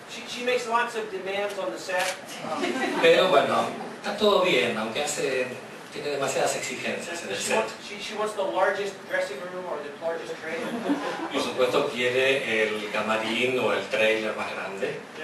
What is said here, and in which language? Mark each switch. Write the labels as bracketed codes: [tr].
[en] She makes lots of demands on the set. [es] Pero bueno, está todo bien, aunque tiene demasiadas exigencias en el set. [en] She wants the largest dressing room or the largest trailer. [es] Por supuesto, quiere el camarín o el trailer más grande.